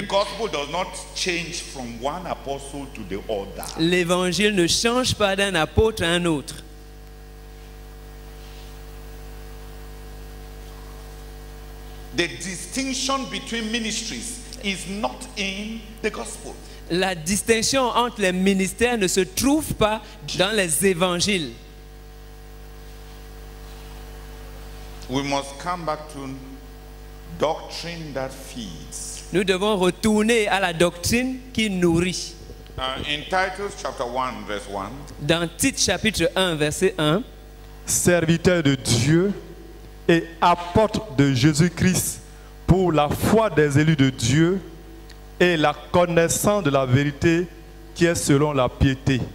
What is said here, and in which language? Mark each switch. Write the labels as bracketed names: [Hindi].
[English] the gospel does not change from one apostle to the other. [French] L'évangile ne change pas d'un apôtre à un autre. [English] The distinction between ministries is not in the gospel. [French] La distinction entre les ministères ne se trouve pas dans les évangiles. [English] We must come back to doctrine that feeds. [French] Nous devons retourner à la doctrine qui nourrit. [English] In Titus chapter 1 verse 1. [French] Dans Tite chapitre 1 verset 1. Serviteur de Dieu et apôtre de Jésus-Christ pour la foi des élus de Dieu et la connaissance de la vérité qui est selon la piété.